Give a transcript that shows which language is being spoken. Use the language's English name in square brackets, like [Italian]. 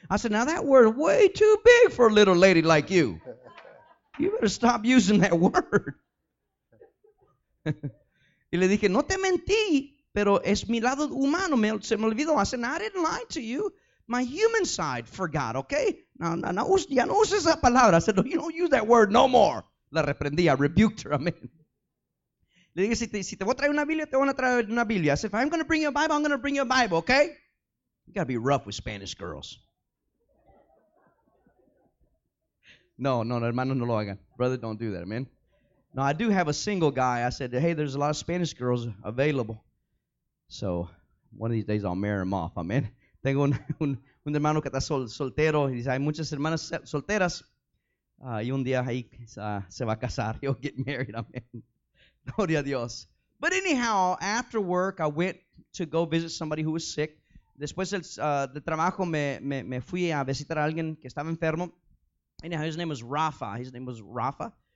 [English] I said, now that word way too big for a little lady like you. You better stop using that word. [Spanish] Y le dije, no te mentí, pero es mi lado humano, se me olvidó. [English] I said, no, I didn't lie to you. My human side forgot, okay? [Spanish] No, ya no uses esa palabra. [English] I said, no, you don't use that word no more. [Spanish] La reprendí, [English] I rebuked her, [Spanish] amen. Le dije, si te voy a traer una Biblia, te voy a traer una Biblia. [English] I said, if I'm going to bring you a Bible, I'm going to bring you a Bible, okay? You got to be rough with Spanish girls. [Spanish] No, hermano, no lo hagan. [English] Brother, don't do that, amen. Now, I do have a single guy. I said, hey, there's a lot of Spanish girls available. So one of these days I'll marry him off. [Spanish] Amen. Tengo un hermano que está soltero. Y dice, hay muchas hermanas solteras. Y un día ahí se va a casar. [English] He'll get married. [Spanish] Amen. Gloria a Dios. [English] But anyhow, after work, I went to go visit somebody who was sick. [Spanish] Después del trabajo, me fui a visitar a alguien que estaba enfermo. [English] Anyhow, his name was Rafa.